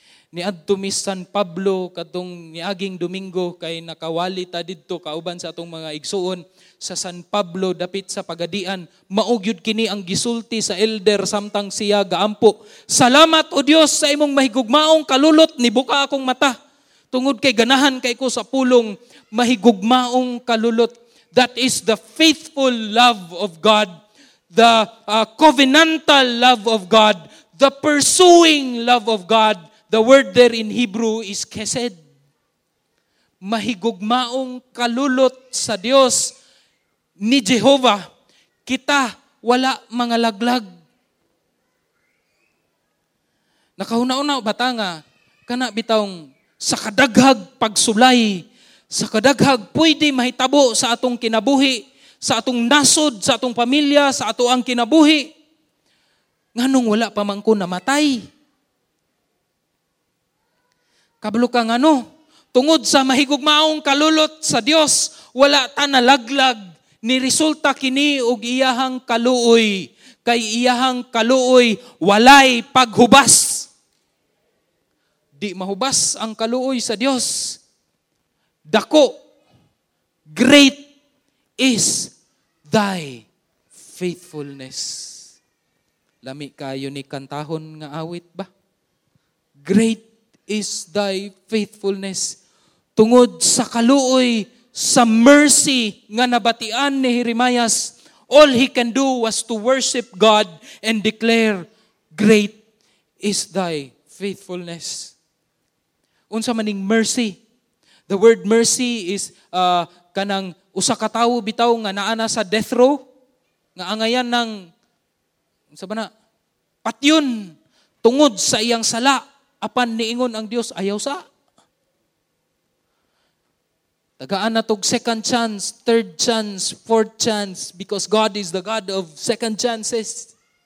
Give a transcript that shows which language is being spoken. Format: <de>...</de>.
<ceb>Ni Adtumis San Pablo, katong niaging Domingo, kay nakawali ta dito, kauban sa atong mga igsuon, sa San Pablo, dapit sa Pagadian, maugyud kini ang gisulti sa elder, samtang siya gaampo. Salamat o Diyos sa imong mahigugmaong kalulot, nibuka akong mata. Tungod kay ganahan kay ko sa pulong, mahigugmaong kalulot.</ceb> <en>That is the faithful love of God, the covenantal love of God, the pursuing love of God. The word there in Hebrew is kesed.</en> <ceb>Mahigugmaong kalulot sa Dios ni Jehovah. Kita wala mga laglag. Nakahuna-una batanga, kana bitawng sa kadaghag pagsulay, sa kadaghag pwede mahitabo sa atong kinabuhi, sa atong nasod, sa atong pamilya, sa atoang kinabuhi. Nganong wala pa man ko namatay? Kablo ka nga no, tungod sa mahigugmaong kalulot sa Dios, wala ta nalaglag ni resulta kini og iyahang kaluoy, kay iyahang kaluoy walay paghubas. Di mahubas ang kaluoy sa Dios.</ceb> <en>Dako, great is thy faithfulness.</en> <ceb>Lami kayo ni kantahon nga awit ba?</ceb> <en>Great is thy faithfulness.</en> <ceb>Tungod sa kaluoy, sa</ceb> <en>mercy</en> <ceb>nga nabatian ni Jeremias,</ceb> <en>all he can do was to worship God and declare, great is thy faithfulness.</en> <ceb>Unsa maning mercy?</ceb> <en>The word mercy is</en> <ceb>kanang usa ka tawo bitaw nga naana sa death row, nga angayan ng unsa ba na? Patyon. Tungod sa iyang sala, apan niingon ang Dios, ayaw sa. Tagaan na itong</ceb> <en>second chance, third chance, fourth chance, because God is the God of second chances.</en>